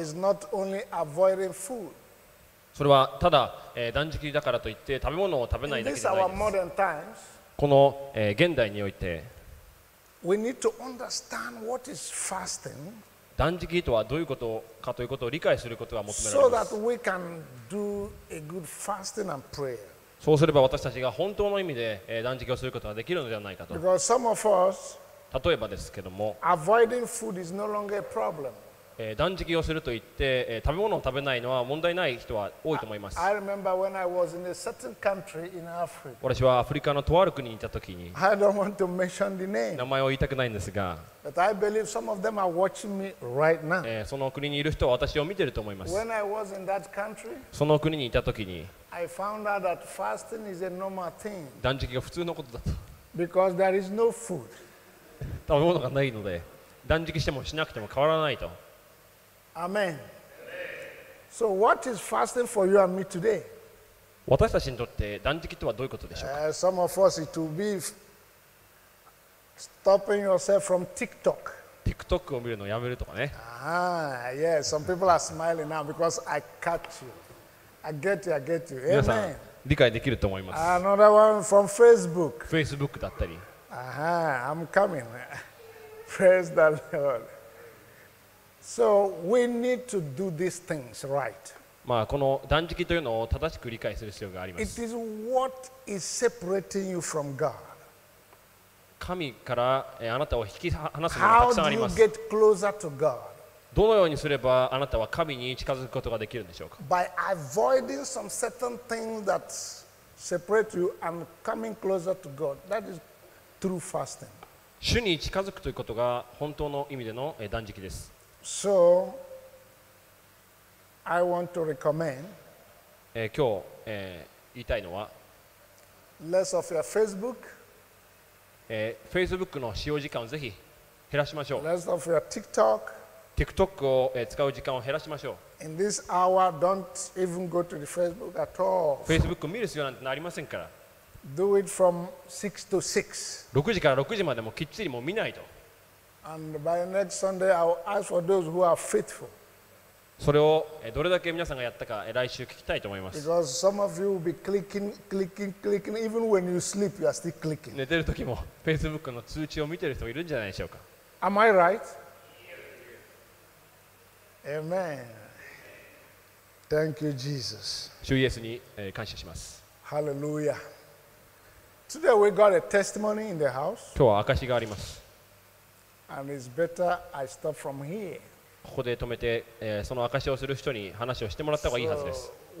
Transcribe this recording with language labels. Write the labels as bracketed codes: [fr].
[en] is not only avoiding food [ja] それはただ断食だからといって食べ物を食べないだけじゃないです [en] in this our modern times [ja] この現代において [en] we need to understand what is fasting [ja] 断食とはどういうことかということを理解することが求められます [en] so that we can do a good fasting and prayer [ja] そうすれば私たちが本当の意味で断食をすることができるのではないかと [en] Because some of us [ja] 例えばですけども [en] Avoiding food is no longer a problem [ja] 断食をすると言って食べ物を食べないのは問題ない人は多いと思います [en] I remember when I was in a certain country in Africa [ja] 私はアフリカのとある国にいた時に [en] I don't want to mention the name [ja] 名前を言いたくないんですが [en] But I believe some of them are watching me right now [ja] その国にいる人は私を見てると思います [en] When I was in that country [ja] その国にいた時に [en] I found out that fasting is a normal thing. [ja] 断食が普通のことだと。 [en] Because there is no food. [ja] 食べ物がないので、 断食してもしなくても変わらないと。 [en] Amen. So what is fasting for you and me today? [ja] 私たちにとって断食とはどういうことでしょうか? [en] Some of us it will be stopping yourself from TikTok. [ja] TikTokを見るのをやめるとかね。 [en] Ah, yes. Some people are smiling now because I catch you. I get you. Amen. [ja] 皆さん理解できると思います。 [en] Another one from Facebook. [ja] Facebook だったり。 [en] Aha, I'm coming. Praise the Lord. So we need to do these things right. [ja] まあこの断食というのを正しく理解する必要があります。 [en] It is what is separating you from God. [ja] 神からあなたを引き離すものがたくさんあります。 [en] How do you get closer to God? [ja] どのようにすればあなたは神に近づくことができるんでしょうか? [en] By avoiding some certain things that separate you and coming closer to God. That is true fasting. [ja] 主に近づくということが本当の意味での断食です。 [en] So, I want to recommend [ja] 今日言いたいのは [en] less of your Facebook [ja] Facebookの使用時間をぜひ減らしましょう。 [en] less of your TikTok [ja] TikTokを使う時間を減らしましょう。 [en] In this hour, don't even go to the Facebook at all. [ja] Facebook を見る必要なんてありませんから。 [en] Do it from 6 to 6. [ja] 6時から6時までもきっちりもう見ないと。 [en] And by next Sunday, I will ask for those who are faithful. [ja] それをどれだけ皆さんがやったか来週聞きたいと思います。 [en] Because some of you will be clicking, clicking, clicking. Even when you sleep, you are still clicking. [ja] 寝てる時も Facebook の通知を見てる人もいるんじゃないでしょうか。 [en] Am I right? Amen. Thank you, Jesus. [ja] 主イエスに感謝します。 [en] Hallelujah. Today we got a testimony in the house. [ja] 今日は証しがあります。 [en] And it's better I stop from here. [ja] ここで止めて、その証しをする人に話をしてもらった方がいいはずです。